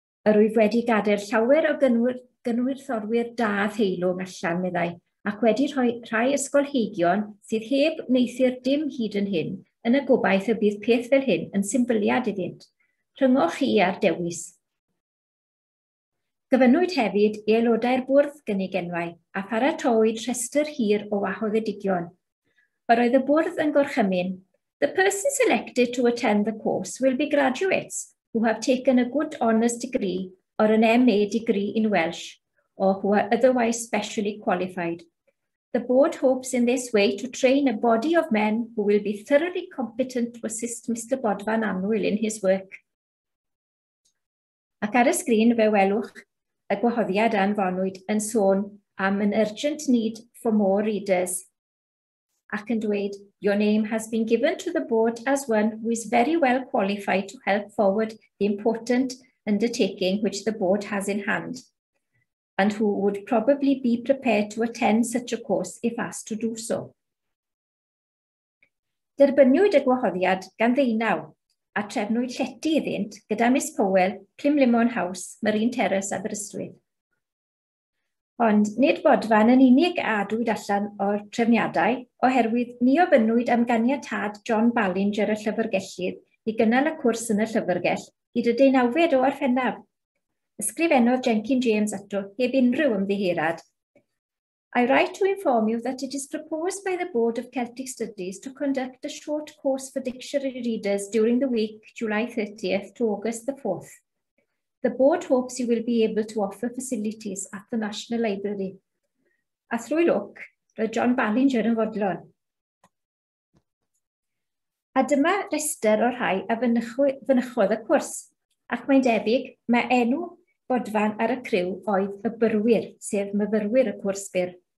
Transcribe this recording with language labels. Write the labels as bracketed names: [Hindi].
[Welsh] Yr wyf wedi gadael llawer o gynwyrthorwyr da theilwng allan, meddai, ac wedi rhoi rhai ysgolheigion sydd heb wneithu'r dim hyd yn hyn yn y gobaith y bydd peth fel hyn yn symboliad iddynt. Rhyngwch chi ar dewis. Gyfynwyd hefyd i aelodau'r bwrdd gynnig enwau a pharatoid rhestr hir o wahoddedigion. Yr oedd y bwrdd yn gorchymyn, [English] "The person selected to attend the course will be graduates who have taken a good honours degree or an MA degree in Welsh or who are otherwise specially qualified. The board hopes in this way to train a body of men who will be thoroughly competent to assist Mr Bodfan Annwyl in his work." [Welsh] Ac ar y sgrin fe welwch y gwahoddiad anfonwyd yn sôn am [English] an urgent need for more readers. [Welsh] Ac yn dweud, [English] "Your name has been given to the board as one who is very well qualified to help forward the important undertaking which the board has in hand, and who would probably be prepared to attend such a course if asked to do so." [Welsh] Derbyniwyd y gwahoddiad gan ddeunaw, a trefnwyd lleti iddynt gyda Miss Powell, Plymlimon House, Marine Terrace, Aberystwyth. Ond nid bodfan yn unig a adwyd allan o'r trefniadau, oherwydd ni ofynnwyd am ganiatad John Ballinger y Llyfrgellydd i gynnal y cwrs yn y Llyfrgell gyda deunawfed o Orffennaf. Ysgrifennodd Jenkin James ato heb unrhyw ymddiheirad. [English] "I write to inform you that it is proposed by the Board of Celtic Studies to conduct a short course for dictionary readers during the week July 30th to August the 4th. The board hopes you will be able to offer facilities at the National Library." [Welsh] A thrwy lwc, roedd John Ballinger yn fodlon. A dyma rhestr o rhai a fynychodd y cwrs, ac mae'n debyg mae enw bodfan ar y criw oedd y byrwyr, sef myfyrwyr y cwrs byr.